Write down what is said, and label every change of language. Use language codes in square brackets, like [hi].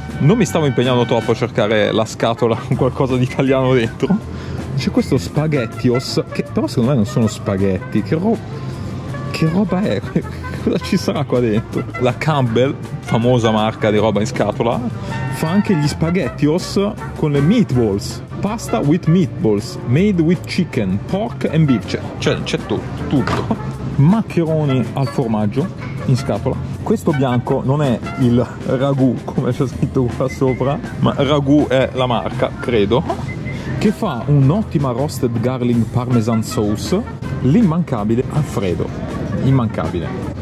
[it] Non mi stavo impegnando troppo a cercare la scatola con qualcosa di italiano dentro. C'è questo spaghettios, che però secondo me non sono spaghetti, che roba. Che roba è? Cosa ci sarà qua dentro? La Campbell, famosa marca di roba in scatola, fa anche gli spaghettios con le meatballs. [en] Pasta with meatballs, made with chicken, pork and beef. [it] C'è tutto, tutto. Maccheroni al formaggio in scatola. Questo bianco non è il ragù, come c'è scritto qua sopra, ma ragù è la marca, credo. Che fa un'ottima [en] roasted garlic parmesan sauce. [it] L'immancabile Alfredo, immancabile.